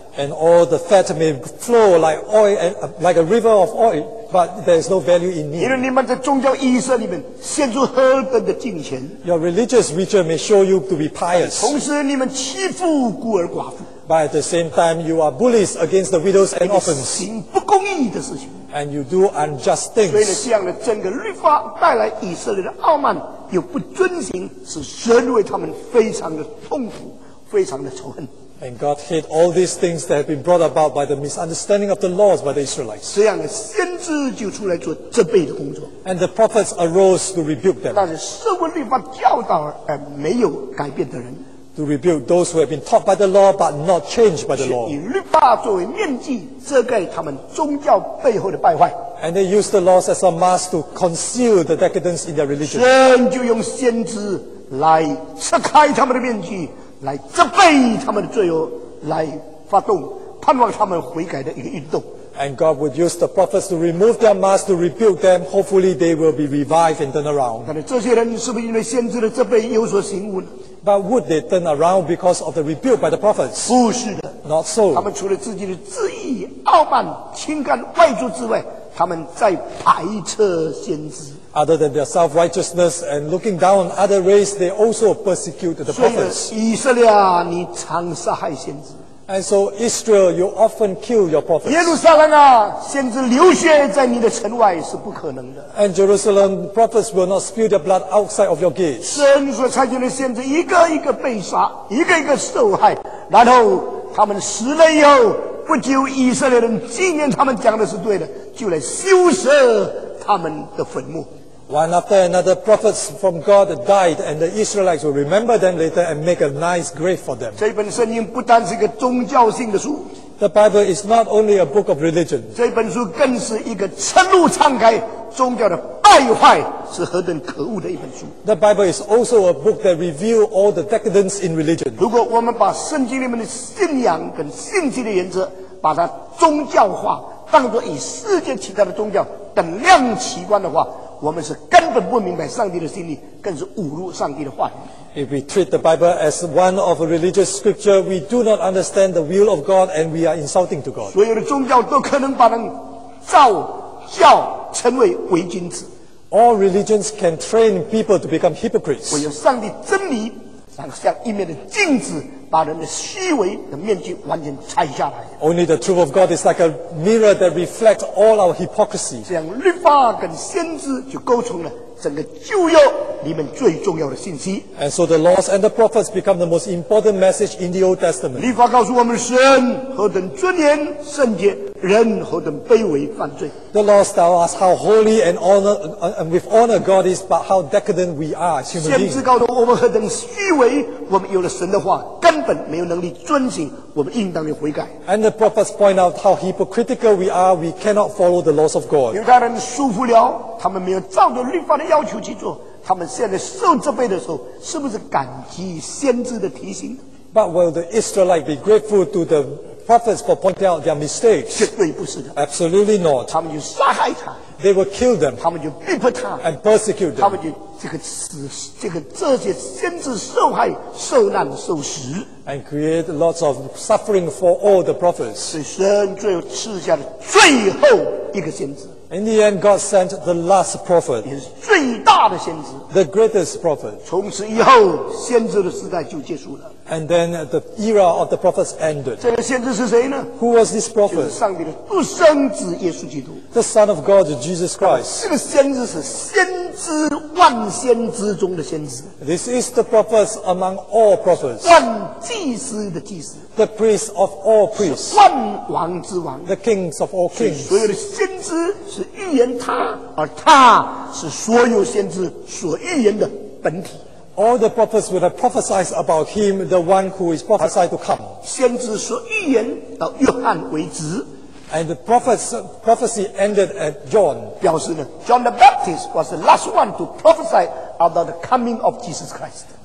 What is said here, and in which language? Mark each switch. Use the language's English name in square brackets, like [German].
[English] And all the fat may flow like oil, like a river of oil, but there is no value in me. [Chinese] 因为你们在宗教仪式里面献出何等的敬虔。 [English] Your religious ritual may show you to be pious. [Chinese] 同时，你们欺负孤儿寡妇。 [English] But at the same time, you are bullies against the widows and orphans. [Chinese] 你行不公义的事情。 [English] And you do unjust things. [Chinese] 所以呢，这样的整个律法带来以色列的傲慢，又不遵行，使神为他们非常的痛苦，非常的仇恨。 [English] And God hate all these things that have been brought about by the misunderstanding of the laws by the Israelites. [Chinese] 这样的先知就出来做责备的工作。 [English] And the prophets arose to rebuke them. [Chinese] 但是受过律法教导而没有改变的人。 [English] To rebuke those who have been taught by the law but not changed by the law. [Chinese] 以律法作为面具遮盖他们宗教背后的败坏。 [English] And they use the laws as a mask to conceal the decadence in their religion. [Chinese] 神就用先知来撤开他们的面具，来责备他们的罪恶，来发动盼望他们悔改的一个运动。 [English] And God would use the prophets to remove their masks to rebuke them. Hopefully, they will be revived and turn around. [Chinese] 但是这些人是不是因为先知的责备有所醒悟呢？ [English] But would they turn around because of the rebuke by the prophets? [Chinese] 不是的。 [English] Not so. [Chinese] 他们除了自己的自意、傲慢、轻看外族之外，他们在排斥先知。 [English] Other than their self-righteousness and looking down on other race, they also persecuted the prophets. [Chinese] 所以以色列啊，你常杀害先知。 [English] And so Israel, you often kill your prophets. [Chinese] 耶路撒冷啊，先知流血在你的城外是不可能的。 [English] And Jerusalem, prophets will not spill their blood outside of your gates. [Chinese] 神所差遣的先知一个一个被杀，一个一个受害，然后他们死了以后，不久以色列人纪念他们讲的是对的，就来修饰他们的坟墓。 [English] One after another, prophets from God died, and the Israelites will remember them later and make a nice grave for them. [Chinese] 这本圣经不单是一个宗教性的书。 [English] The Bible is not only a book of religion. [Chinese] 这本书更是一个彻露敞开宗教的败坏是何等可恶的一本书。 [English] The Bible is also a book that reveals all the decadence in religion. [Chinese] 如果我们把圣经里面的信仰跟信息的原则，把它宗教化，当作与世界其他的宗教等量齐观的话，我们是根本不明白上帝的心意，更是侮辱上帝的话语。 [English] If we treat the Bible as one of a religious scripture, we do not understand the will of God, and we are insulting to God. [Chinese] 所有的宗教都可能把人造教成为伪君子。 [English] All religions can train people to become hypocrites. [Chinese] 唯有上帝真理，像一面的镜子，把人的虚伪的面具完全拆下来。 [English] Only the truth of God is like a mirror that reflects all our hypocrisy. [Chinese] 这样律法跟先知就构成了整个旧约里面最重要的信息。 [English] And so the laws and the prophets become the most important message in the Old Testament. [Chinese] 律法告诉我们神何等尊严圣洁，人何等卑微犯罪。 [English] The laws tell us how holy and honor and with honor God is, but how decadent we are as human beings. [Chinese] 先知告诉我们何等虚伪，我们有了神的话根本没有能力遵行，我们应当的悔改。 [English] And the prophets point out how hypocritical we are, we cannot follow the laws of God. [Chinese] 犹太人束缚了，他们没有照着律法的要求去做，他们现在受责备的时候，是不是感激先知的提醒？ [English] But will the Israelites be grateful to the prophets for pointing out their mistakes? [Chinese] 绝对不是的。 [English] Absolutely not. [Chinese] 他们就杀害他。 [English] They will kill them. [Chinese] 他们就逼迫他。 [English] And persecute them. [Chinese] 他们就这些先知受害受难受死。 [English] And create lots of suffering for all the prophets. [Chinese] 所以神最后赐下了最后一个先知。 [English] In the end, God sent the last prophet. [Chinese] 也是最大的先知。 [English] The greatest prophet. [Chinese] 从此以后，先知的时代就结束了。 [English] And then the era of the prophets ended. [Chinese] 这个先知是谁呢？ [English] Who was this prophet? [Chinese] 就是上帝的独生子耶稣基督。 [English] The Son of God, Jesus Christ. [Chinese] 这个先知是先知万先知中的先知。 [English] This is the prophet among all prophets. [Chinese] 万祭司的祭司。 [English] The priest of all priests. [Chinese] 万王之王。 [English] The kings of all kings. [Chinese] 所有的先知是预言他，而他是所有先知所预言的本体。 [English] All the prophets would have prophesied about him, the one who is prophesied to come. [Chinese] 先知所预言到约翰为止。 [English] And the prophecy ended at John. [Chinese] 表示呢 [English] ，John the Baptist was the last one to prophesy about the coming of Jesus Christ.